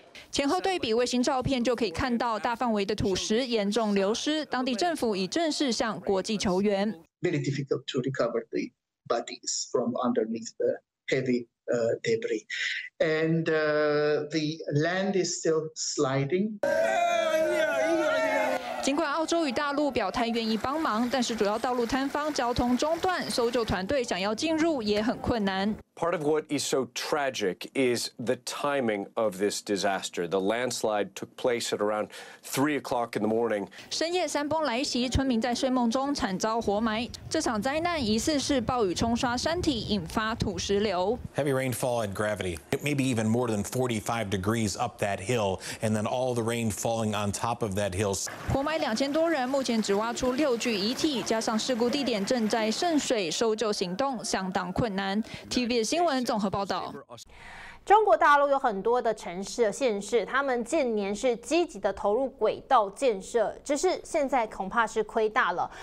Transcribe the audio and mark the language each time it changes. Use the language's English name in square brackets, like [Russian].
[Chinese] 前后对比卫星照片，就可以看到大范围的土石严重流失。当地政府已正式向国际求援。 [English] Very difficult to recover the bodies from underneath the heavy debris, and the land is still sliding. [Chinese] 尽管澳洲与大陆表态愿意帮忙，但是主要道路摊方，交通中断，搜救团队想要进入也很困难。 [English] Part of what is so tragic is the timing of this disaster. The landslide took place at around 3 o'clock in the morning. [Chinese] 深夜山崩来袭，村民在睡梦中惨遭活埋。这场灾难疑似是暴雨冲刷山体引发土石流。 [English] Heavy rainfall and gravity, maybe even more than 45 degrees up that hill, and then all the rain falling on top of that hill. [Chinese] 活埋2000多人，目前只挖出6具遗体，加上事故地点正在渗水，搜救行动相当困难。新闻综合报道。中国大陆有很多的城市和县市，他们近年是积极的投入轨道建设，只是现在恐怕是亏大了。